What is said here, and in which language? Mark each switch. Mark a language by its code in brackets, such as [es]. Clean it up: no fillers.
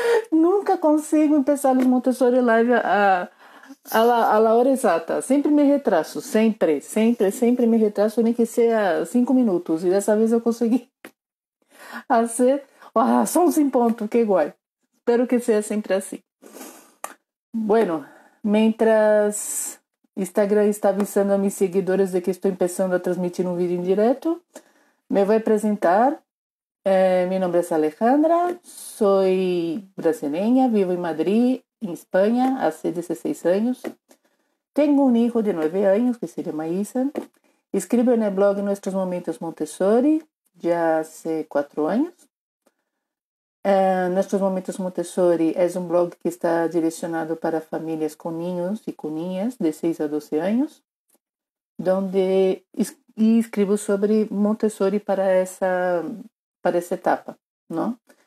[pt] Nunca consigo começar os Montessori Live [es] a la hora [pt] exata. Sempre [es] me retraso. [pt] Sempre, sempre, sempre [es] me retraso. [pt] Nem que seja 5 minutos. E dessa vez eu consegui fazer só uns em ponto. Que igual. Espero que seja sempre assim. [es] Bueno. Mientras Instagram está avisando a mis seguidores de que estoy empezando a transmitir un vídeo en directo, me voy a presentar. Mi nombre es Alejandra, soy brasileña, vivo en Madrid, en España, hace 16 años. Tengo un hijo de 9 años que se llama Isa. Escribo en el blog Nuestros Momentos Montessori ya hace 4 años. [pt] Nuestros Momentos Montessori é um blog que está direcionado para famílias com ninhos e com ninhas de 6 a 12 anos, onde escrevo sobre Montessori para essa etapa. Não?